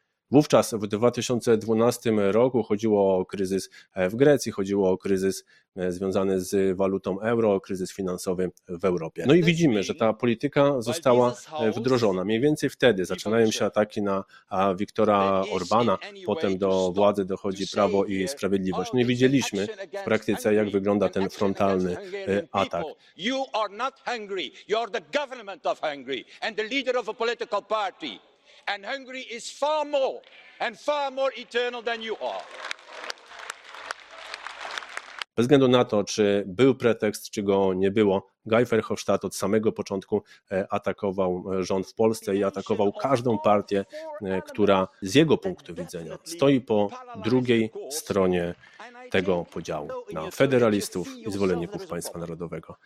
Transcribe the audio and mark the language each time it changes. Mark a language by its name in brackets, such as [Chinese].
[Polish] Wówczas w 2012 roku chodziło o kryzys w Grecji, chodziło o kryzys związany z walutą euro, kryzys finansowy w Europie. No i widzimy, że ta polityka została wdrożona. Mniej więcej wtedy zaczynają się ataki na Viktora Orbana, potem do władzy dochodzi Prawo i Sprawiedliwość. No i widzieliśmy w praktyce, jak wygląda ten frontalny atak. [English] You are not Hungary, you are the government of Hungary and the leader of a political party. And Hungary is far more and far more eternal than you are. [Polish] Bez względu na to, czy był pretekst, czy go nie było, Guy Verhofstadt od samego początku atakował rząd w Polsce i atakował każdą partię, która z jego punktu widzenia stoi po drugiej stronie tego podziału na federalistów i zwolenników państwa narodowego.